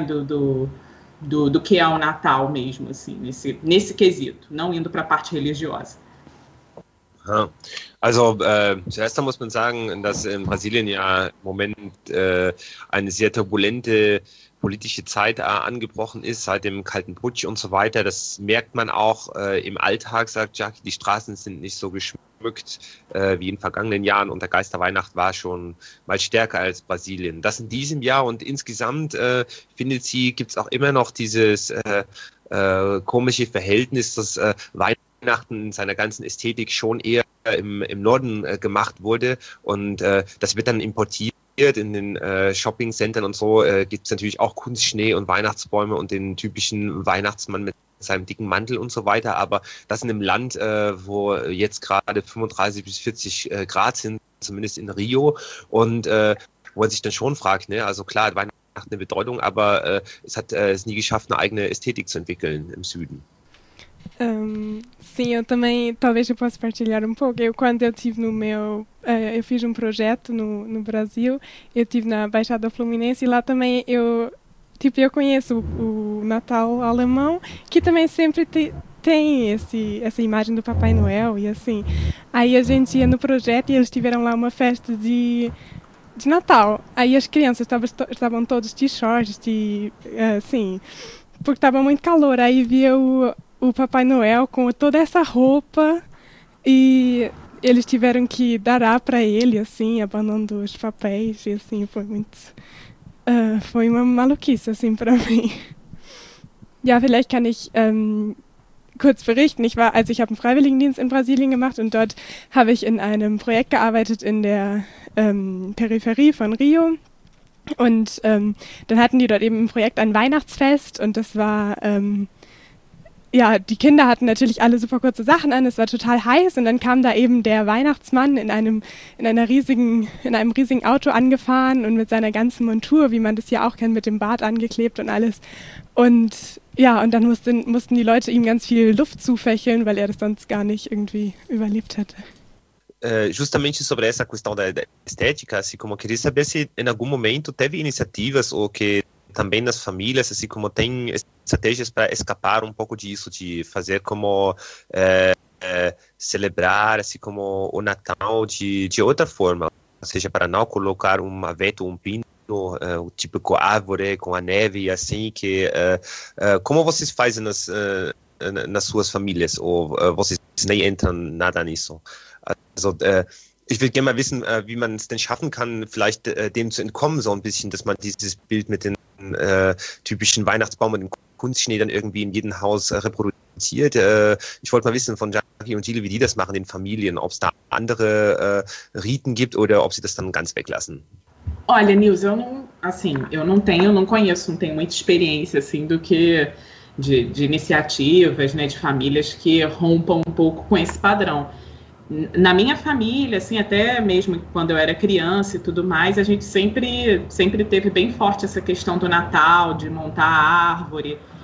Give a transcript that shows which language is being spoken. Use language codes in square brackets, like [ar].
[pt] Do que é o Natal mesmo, assim, nesse quesito, não indo para a parte religiosa. [de] Also zuerst muss man sagen, dass in Brasilien ja im Moment eine sehr turbulente politische Zeit angebrochen ist, seit dem kalten Putsch und so weiter. Das merkt man auch im Alltag, sagt Jackie, die Straßen sind nicht so geschmückt wie in vergangenen Jahren und der Geisterweihnacht war schon mal stärker als Brasilien. Das in diesem Jahr und insgesamt findet sie, gibt es auch immer noch dieses komische Verhältnis, dass Weihnachten in seiner ganzen Ästhetik schon eher im Norden gemacht wurde und das wird dann importiert in den Shopping-Centern und so gibt es natürlich auch Kunstschnee und Weihnachtsbäume und den typischen Weihnachtsmann mit seinem dicken Mantel und so weiter. Aber das in einem Land, wo jetzt gerade 35 bis 40 Grad sind, zumindest in Rio, und wo man sich dann schon fragt, ne, also klar hat Weihnachten eine Bedeutung, aber es hat es nie geschafft, eine eigene Ästhetik zu entwickeln im Süden. [pt] Sim, eu também, talvez eu possa partilhar um pouco. Quando eu tive no meu, eu fiz um projeto no Brasil, eu tive na Baixada Fluminense e lá também eu conheço o Natal alemão, que também sempre tem essa imagem do Papai Noel e assim. Aí a gente ia no projeto e eles tiveram lá uma festa de Natal. Aí as crianças estavam todos t-shirts, assim, porque estava muito calor. Aí via o Papai Noel com toda essa roupa e eles tiveram que dar a para ele, assim, abanando os papéis e assim, foi muito, foi uma maluquice, assim, para mim. [de] Ja, vielleicht kann ich kurz berichten. Also ich habe einen Freiwilligendienst in Brasilien gemacht und dort habe ich in einem Projekt gearbeitet in der Peripherie von Rio. Und dann hatten die dort eben ein Projekt, ein Weihnachtsfest und das war ja, die Kinder hatten natürlich alle super kurze Sachen an, es war total heiß und dann kam da eben der Weihnachtsmann in einem riesigen Auto angefahren und mit seiner ganzen Montur, wie man das ja auch kennt, mit dem Bart angeklebt und alles. Und ja, und dann mussten die Leute ihm ganz viel Luft zufächeln, weil er das sonst gar nicht irgendwie überlebt hätte. [pt] Justamente sobre essa questão da estética, assim como eu queria saber se em algum momento teve iniciativas ou que também nas famílias, assim como tem estratégias para escapar um pouco disso, de fazer como celebrar, assim como o Natal de outra forma, ou seja, para não colocar um aveto, um pino, o típico árvore com a neve e assim, que como vocês fazem nas suas famílias, ou vocês nem entram nada nisso? [de] Also ich würde gerne mal wissen, wie man es denn schaffen kann, vielleicht dem zu entkommen, so ein bisschen, dass man dieses Bild mit den typischen Weihnachtsbaum und dem Kunstschnee dann irgendwie in jedem Haus reproduziert. Ich wollte mal wissen von Jackie und Jilly, wie die das machen, den Familien, ob es da andere Riten gibt oder ob sie das dann ganz weglassen. [pt] Olha, Nils, eu não conheço muita experiência assim do que de iniciativas, né, de famílias que rompam um pouco com esse padrão. Na minha família, assim, até mesmo quando eu era criança e tudo mais, a gente sempre teve bem forte essa questão do Natal, de montar árvore.